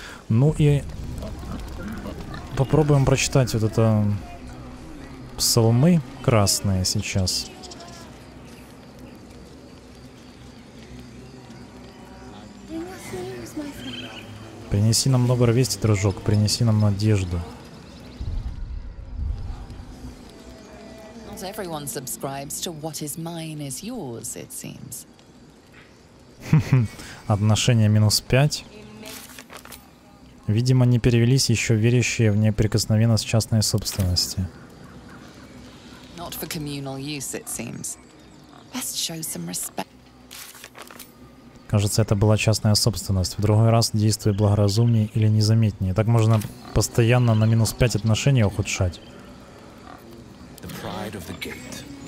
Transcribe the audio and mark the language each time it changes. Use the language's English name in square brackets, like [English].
[Russian] Ну и попробуем прочитать вот это псалмы красные сейчас. Принеси нам добрые вести, дружок, принеси нам надежду. [English] Everyone subscribes to what is mine is yours, it seems. [Russian] Отношения минус 5. Видимо, не перевелись еще верящие в неприкосновенность частной собственности. [English] Not for communal use, it seems. Best show some respect. [Russian] Кажется, это была частная собственность. В другой раз действуй благоразумнее или незаметнее. Так можно постоянно на минус 5 отношения ухудшать. [English] Of the gate.